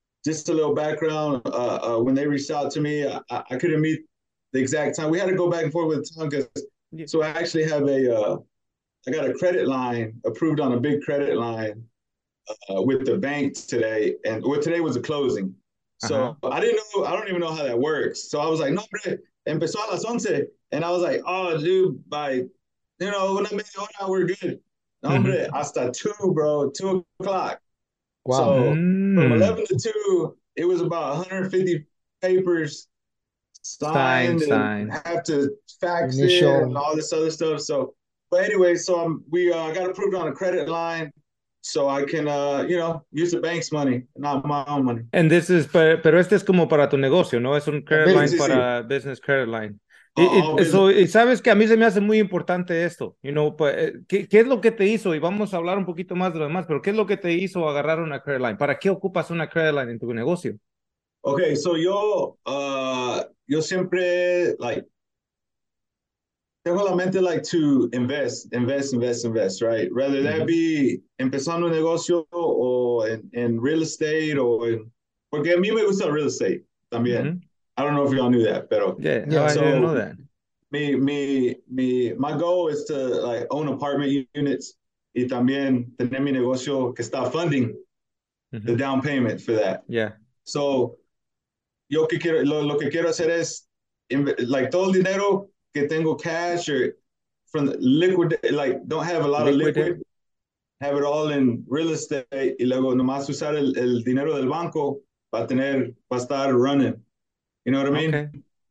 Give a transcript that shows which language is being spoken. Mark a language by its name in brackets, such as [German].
[English] Just a little background, when they reached out to me, I couldn't meet the exact time. We had to go back and forth with the time, so I actually have I got a credit line approved on a big credit line with the bank today, and today was a closing. So I didn't know, I don't even know how that works. So I was like, [Spanish] no, hombre, empezó a las 11. [English] And I was like, oh, dude, by, you know, [Spanish] una media hora, [English] we're good. [Spanish] No, hombre, hasta 2 o'clock. Wow. [English] So from 11 to 2, it was about 150 papers signed. Have to fax initial. It and all this other stuff. So, but anyway, so we got approved on a credit line so I can, you know, use the bank's money, not my own money. And this is, [Spanish] pero este es como para tu negocio, ¿no? Es un credit line para business credit line. Sabes que a mí se me hace muy importante esto, [English] you know, [Spanish] ¿qué es lo que te hizo? Y vamos a hablar un poquito más de lo demás, pero ¿qué es lo que te hizo agarrar una credit line? ¿Para qué ocupas una credit line en tu negocio? [English] Okay, so [Spanish] yo siempre, [English] like, [Spanish] tengo la mente, [English] like, to invest, right? Rather that be [Spanish] empezando un negocio o en real estate o en... Porque a mí me gusta real estate también. Mm-hmm. [English] I don't know if y'all knew that, [Spanish] pero [English] I didn't know that. Me, my goal is to like own apartment units [Spanish] y también tener mi negocio que está [English] funding the down payment for that. Yeah. [Spanish] So yo que quiero, lo que quiero hacer es like todo el dinero que tengo [English] cash or from the liquid, like don't have a lot of liquid, have it all in real estate [Spanish] y luego nomás usar el dinero del banco para tener, para estar running. [English] You know what I mean? Okay.